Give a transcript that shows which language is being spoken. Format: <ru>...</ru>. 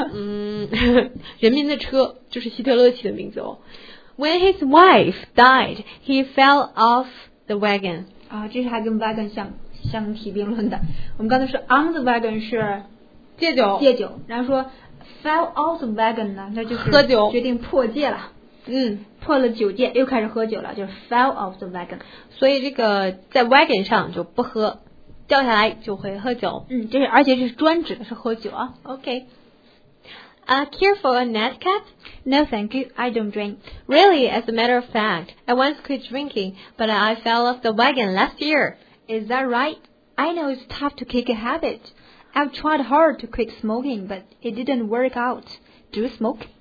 <zh>嗯，人民的车就是希特勒起的名字哦。</zh> <en>When his wife died, he fell off the wagon.</en> <zh>啊，这是还跟 wagon 相提并论的。我们刚才说</zh> <en>on the wagon</en> <zh>是戒酒，戒酒，然后说</zh> <en>fell off the wagon</en> <zh>呢，那就是喝酒，决定破戒了。嗯，破了酒戒又开始喝酒了，就是</zh> <en>fell off the wagon,</en> <zh>所以这个在 wagon 上就不喝，掉下来就会喝酒。嗯，这是而且这是专指的是喝酒啊。</zh> <en>OK, care for a net cap? No thank you, I don't drink. Really, as a matter of fact, I once quit drinking, but I fell off the wagon last year. Is that right? I know it's tough to kick a habit. I've tried hard to quit smoking, but it didn't work out. Do you smoke?</en>